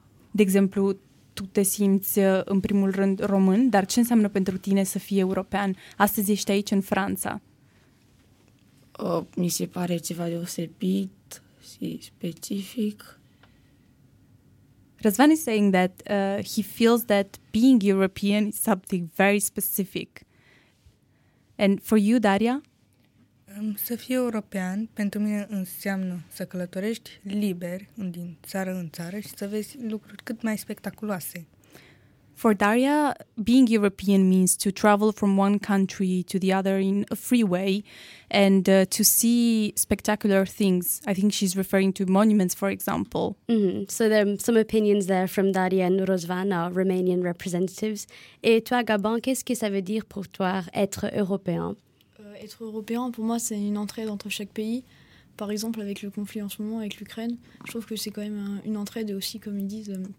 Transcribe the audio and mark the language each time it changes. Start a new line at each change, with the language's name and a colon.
Romanian: De exemplu, tu te simți în primul rând român, dar ce înseamnă pentru tine să fii european? Astăzi ești aici în Franța. Mi se pare ceva deosebit și specific.
English: Răzvan is saying that he feels that being European is something very specific. And for you, Daria?
Romanian: Să fii european pentru mine înseamnă să călătorești liber din țară în țară și să vezi lucruri cât mai spectaculoase.
English: For Daria, being European means to travel from one country to the other in a free way and to see spectacular things. I think she's referring to monuments, for example. Mm-hmm. So there are some opinions there from Daria and Rosvana, Romanian representatives.
French: Et toi, Gabin, qu'est-ce que ça veut dire pour toi être européen? Être européen, pour moi, c'est une entraide entre chaque pays. Par exemple, avec le conflit en ce moment avec l'Ukraine, je trouve que c'est quand même une entraide aussi, comme ils disent...